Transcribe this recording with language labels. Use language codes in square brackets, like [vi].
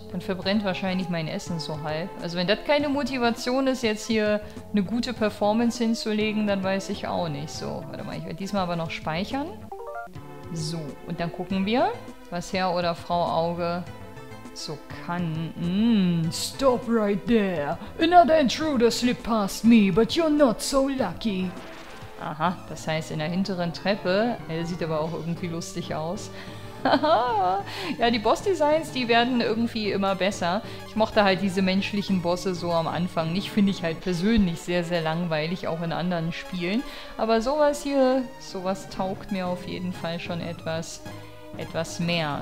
[de] Dann verbrennt wahrscheinlich mein Essen so halb. Also wenn das keine Motivation ist, jetzt hier eine gute Performance hinzulegen, dann weiß ich auch nicht. So, warte mal. Ich werde diesmal aber noch speichern. So, und dann gucken wir, was Herr oder Frau Auge so kann. [en] Stop right there. Another intruder slipped past me, but you're not so lucky. [de] Aha, das heißt in der hinteren Treppe. Er sieht aber auch irgendwie lustig aus. Ja, die Boss-Designs, die werden irgendwie immer besser. Ich mochte halt diese menschlichen Bosse so am Anfang nicht. Finde ich halt persönlich sehr, sehr langweilig, auch in anderen Spielen. Aber sowas hier, sowas taugt mir auf jeden Fall schon etwas mehr.